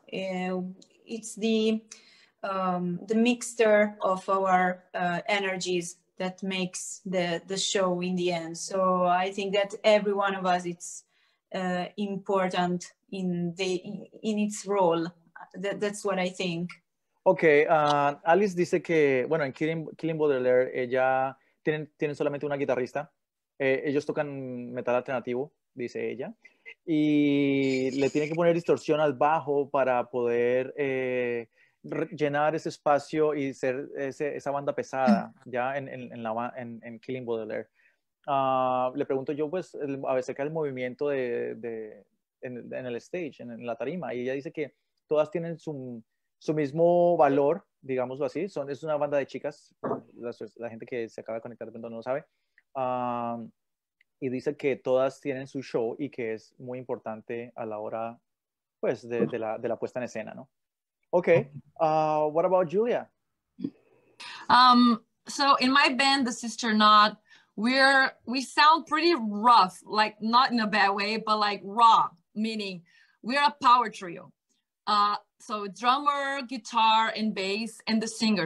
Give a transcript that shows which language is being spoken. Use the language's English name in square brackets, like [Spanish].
[English] It's the mixture of our energies that makes the show in the end. So I think that every one of us, it's important in its role. That's what I think. [Spanish] Okay, Alice dice que, bueno, en Killing Baudelaire, ella tiene solamente una guitarrista. Ellos tocan metal alternativo, dice ella. Y le tiene que poner distorsión al bajo para poder llenar ese espacio y ser esa banda pesada ya en Killing Baudelaire. Le pregunto yo, pues, a veces acerca del movimiento en el stage, en la tarima, y ella dice que todas tienen su mismo valor, digámoslo así. Es una banda de chicas, la gente que se acaba de conectar de pronto no lo sabe, y dice que todas tienen su show y que es muy importante a la hora, pues, de la puesta en escena, ¿no? [English] Okay, what about Julia? So in my band, The Sister Knot, we sound pretty rough, like not in a bad way, but like raw, meaning we're a power trio. So drummer, guitar, and bass, and the singer.